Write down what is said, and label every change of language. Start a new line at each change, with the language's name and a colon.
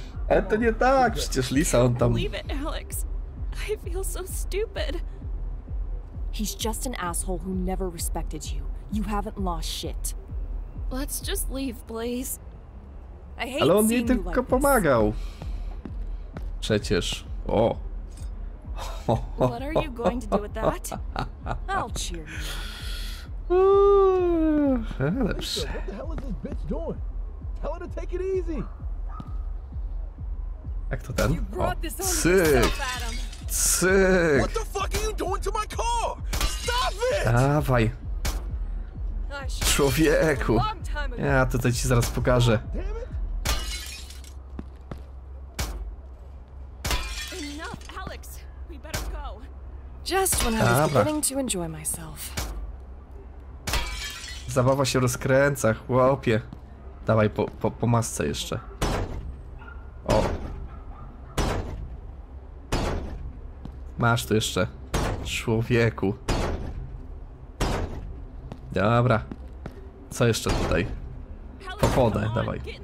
Polish: Ale to nie tak, przecież Lisa, on tam...
English: Leave it, Alex. I feel so stupid. He's just an asshole who never respected you. You haven't lost shit. Let's just leave, please. I hate seeing you like this.
Polish: Ale on jej tylko pomagał. Przecież... O!
English: What are you going to do with that? I'll cheer you.
Polish: Ale psz...
English: What the hell is this bitch doing? Tell her to take it easy!
Polish: Jak to ten? O, cyk! Cyk!
English: What the fuck are you doing to my car? Stop it!
Polish: Dawaj! Człowieku! Ja tutaj ci zaraz pokażę.
English: Enough, Alex! We better go! Just when I was beginning to enjoy myself.
Polish: Zabawa się rozkręca, chłopie. Dawaj po masce jeszcze. Masz tu jeszcze, człowieku. Dobra. Co jeszcze tutaj? Popodę, dawaj.